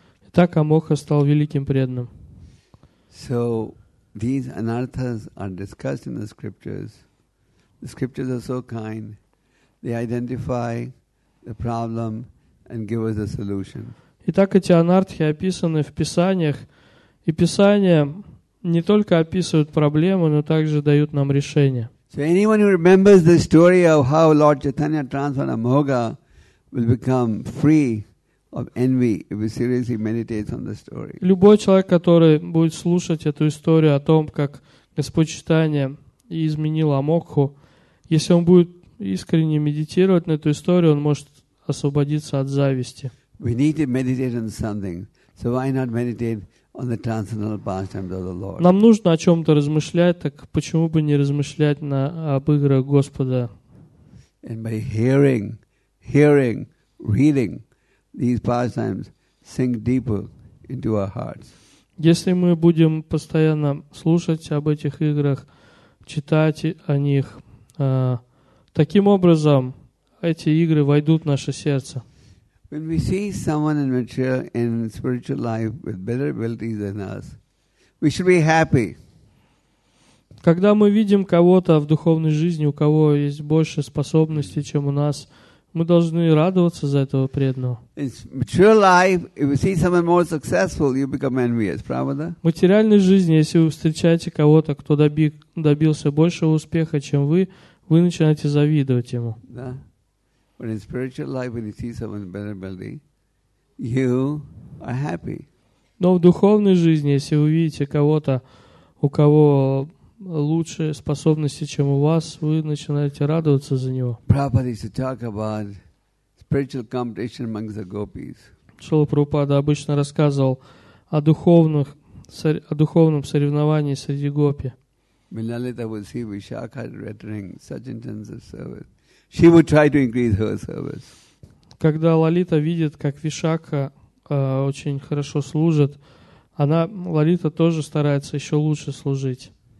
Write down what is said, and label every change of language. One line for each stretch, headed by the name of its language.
Russian: Так Амокха стал великим преданным.
English: So, these anarthas are discussed in the scriptures. The scriptures are so kind. They identify the problem and give us a solution.
Russian: Итак, эти анартхи описаны в писаниях, и писания не только описывают проблему, но также дают нам решение.
English: So anyone who remembers the story of how Lord Chaitanya transformed Amoga will become free of envy if he seriously meditates on the story.
Russian: Любой человек, который будет слушать эту историю о том, как Господь Чайтанья изменил Амокху, если он будет искренне медитировать на эту историю, он может освободиться от зависти.
English: We need to meditate on something. So why not meditate on the transcendental pastimes of the Lord?
Russian: Нам нужно о чем-то размышлять, так почему бы не размышлять на об играх Господа?
English: And by hearing, reading, these pastimes sink deeper into our hearts.
Russian: Если мы будем постоянно слушать об этих играх, читать о них, таким образом эти игры войдут в наше сердце.
English: When we see someone in mature in spiritual life with better abilities than us, we should be happy.
Russian: Когда мы видим кого-то в духовной жизни, у кого есть больше способностей, чем у нас, мы должны радоваться за этого преданного.
English: In mature life, if you see someone more successful, you become envious,
Russian: правда? В материальной жизни, если вы встречаете кого-то, кто добился большего успеха, чем вы начинаете завидовать ему. Да.
English: But in spiritual life, when you see someone better ability, you are happy.
Russian: Но в духовной жизни, если вы видите кого-то, у кого лучшие способности, чем у вас, вы начинаете радоваться за него.
English: Prabhupada used to talk about spiritual competition among the gopis.
Russian: Шрила Прабхупада обычно рассказывал о духовном соревновании среди гопи.
English: Милалита would see Vishakha rendering such intensive service. She would try to increase her service.
Russian: Когда Лалита видит, как Вишакха очень хорошо служит, она, Лалита тоже старается еще лучше служить.